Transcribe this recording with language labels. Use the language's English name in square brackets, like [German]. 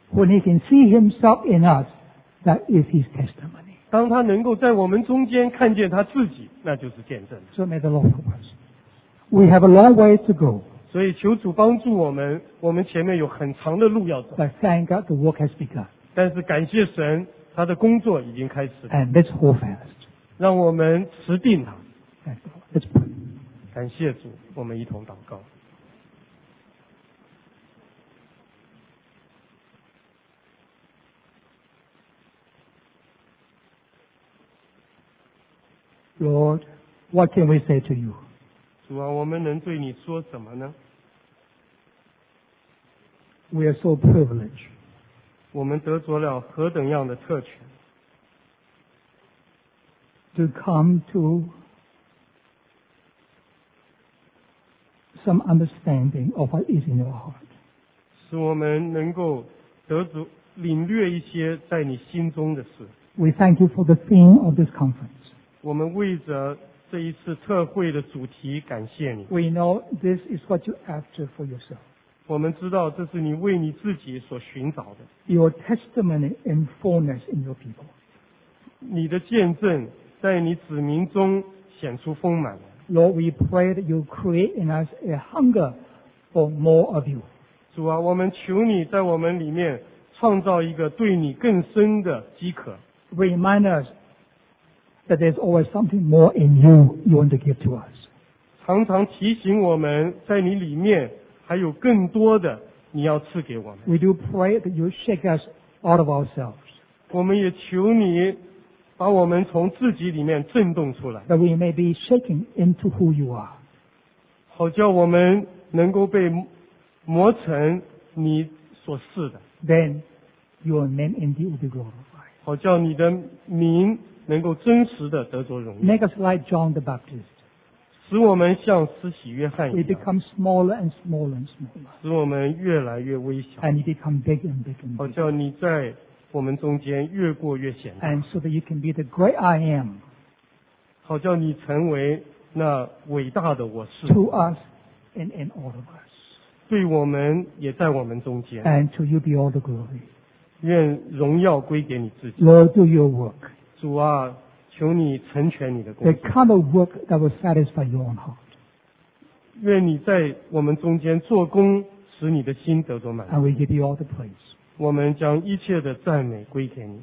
[English] When he can see himself in us, that is his testimony. [Chinese] 当他能够在我们中间看见他自己，那就是见证。 [English] So may the Lord help us. We have a long way to go. [Chinese] 所以求主帮助我们，我们前面有很长的路要走。 [English] But thank God the work has begun. [Chinese] 但是感谢神，他的工作已经开始。 [English] And let's hold fast. [Chinese] 让我们持定他。 [English] Let's pray. [Chinese] 感谢主，我们一同祷告。 [English] Lord, what can we say to you? [Chinese] 主啊，我们能对你说什么呢？ [English] We are so privileged. [Chinese] 我们得着了何等样的特权？ [English] To come to some understanding of what is in your heart. [Chinese] 使我们能够得足领略一些在你心中的事。 [English] We thank you for the theme of this conference. [Chinese] 我们为着这一次特会的主题感谢你。 [English] We know this is what you after for yourself. [Chinese] 我们知道这是你为你自己所寻找的。 [English] Your testimony in fullness in your people. [Chinese] 你的见证在你子民中显出丰满。 [English] Lord, we pray that you create in us a hunger for more of you. [Chinese] 主啊，我们求你在我们里面创造一个对你更深的饥渴。 [English] Remind us. That there's always something more in you you want to give to us. [Chinese] 常常提醒我们在你里面还有更多的你要赐给我们。 [English] We do pray that you shake us out of ourselves. [Chinese] 我们也求你把我们从自己里面震动出来。 [English] That we may be shaken into who you are. [Chinese] 好叫我们能够被磨成你所赐的。 [English] Then your name indeed will be glorified. [Chinese] 好叫你的名能够真实的得着荣耀。 [English] Make us like John the Baptist. [Chinese] 使我们像施洗约翰一样。 [English] We become smaller and smaller and smaller. [Chinese] 使我们越来越微小。 [English] And you become bigger and bigger. [Chinese] 好叫你在我们中间越过越显大。 [English] And so that you can be the great I am. [Chinese] 好叫你成为那伟大的我是。 [English] To us and in all of us. [Chinese] 对我们也在我们中间。 [English] And to you be all the glory. [Chinese] 愿荣耀归给你自己。 [English] Lord, do your work. [Chinese] 主啊，求你成全你的工作。 [English] The kind of work that will satisfy your own heart. [Chinese] 愿你在我们中间做工，使你的心得着满足。 [English] And we give you all the praise. [Chinese] 我们将一切的赞美归给你。